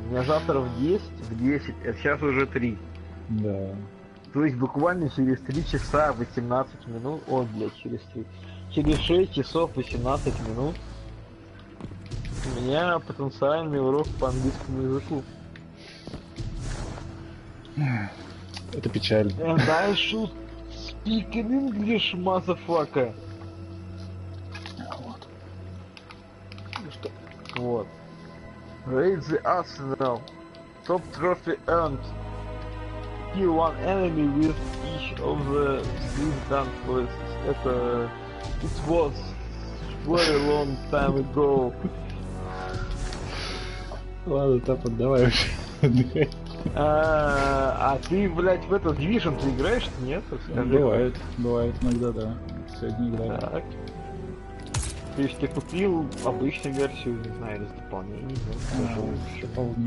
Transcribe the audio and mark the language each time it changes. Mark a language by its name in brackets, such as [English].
[Russian] У меня завтра в 10, а сейчас уже 3. Да. То есть буквально через 3 часа 18 минут... Ой, блядь, через 3. Через 6 часов 18 минут у меня потенциальный урок по английскому языку. Это печально. [English] And I should speak in English, motherfucker. Вот. Raid the Arsenal. Top trophy earned. Kill one enemy with each of the three done quests. [Russian] Это... [English] It was very long time ago. [Russian] Ладно, Тапан, давай уже. А ты, блядь, в этот Division ты играешь, нет? Бывает. Бывает иногда, да. Сегодня играю. Так. То есть ты купил обычную версию, не знаю, или с дополнениями, да?